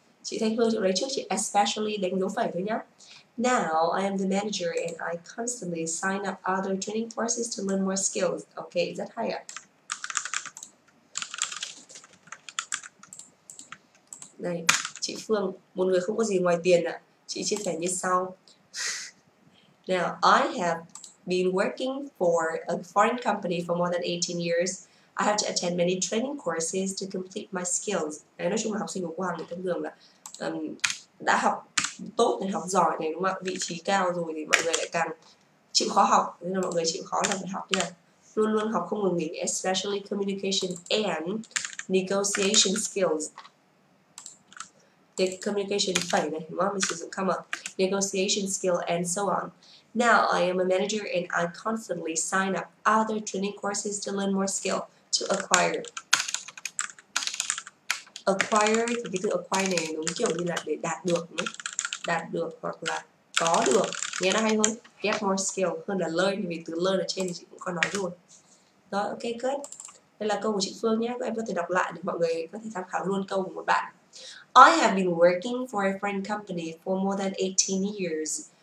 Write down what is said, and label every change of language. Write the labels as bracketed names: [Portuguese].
[Vietnamese] Chị Thanh Hương lấy trước chị especially đánh dấu phẩy thôi nhá. [English] Now I am the manager and I constantly sign up other training courses to learn more skills. [Vietnamese] Okay, rất hay ạ. Này. Chị Phương, một người không có gì ngoài tiền ạ. Chị chia sẻ như sau. [English] Now, I have been working for a foreign company for more than 18 years. I have to attend many training courses to complete my skills. [Vietnamese] Đấy, nói chung là học sinh của Hoàng thì thông thường là đã học tốt thì học giỏi này, đúng không ạ? Vị trí cao rồi thì mọi người lại càng chịu khó học. Nên là mọi người chịu khó là phải học nha. Luôn luôn học không ngừng nghỉ, [English] especially communication and negotiation skills. The communication [Vietnamese] phải này, đúng không? Mình sử dụng [English] come up, negotiation skill and so on. Now I am a manager and I constantly sign up other training courses to learn more skill to acquire. [Vietnamese] Acquire thì cái từ acquire này đúng kiểu như là để đạt được, đúng? Đạt được hoặc là có được, nghe nó hay hơn. [English] Get more skill [Vietnamese] hơn là learn, vì từ learn ở trên thì chị cũng có nói rồi. Rồi, ok, good. Đây là câu của chị Phương nhé, các em có thể đọc lại để mọi người có thể tham khảo luôn câu của một bạn. [English] I have been working for a foreign company for more than 18 years.